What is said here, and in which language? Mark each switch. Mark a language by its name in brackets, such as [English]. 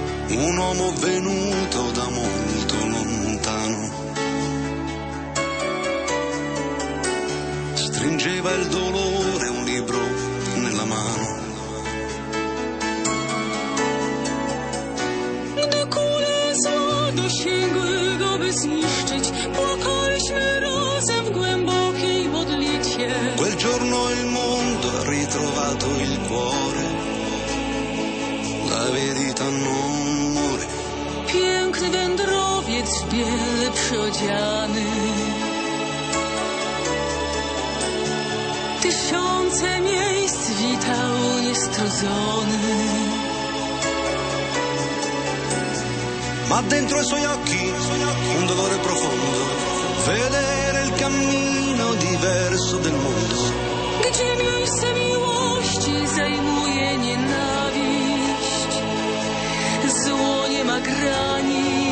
[Italian] Un uomo venuto da molto lontano stringeva il dolore un libro nella mano. [Polish] Gdy kule zła dosięgły, go by zniszczyć, płakaliśmy razem w głębokiej modlitwie. [Italian] Quel giorno il mondo ha ritrovato il cuore, la verità non. [Polish] Piękny wędrowiec w biele przyodziany, tysiące miejsc witał niestrudzony. [Italian] Ma dentro i suoi occhi un dolore profondo, vedere il cammino diverso del mondo. [Polish] Gdzie miejsce miłości zajmuje nienawiść, zło nie ma granic.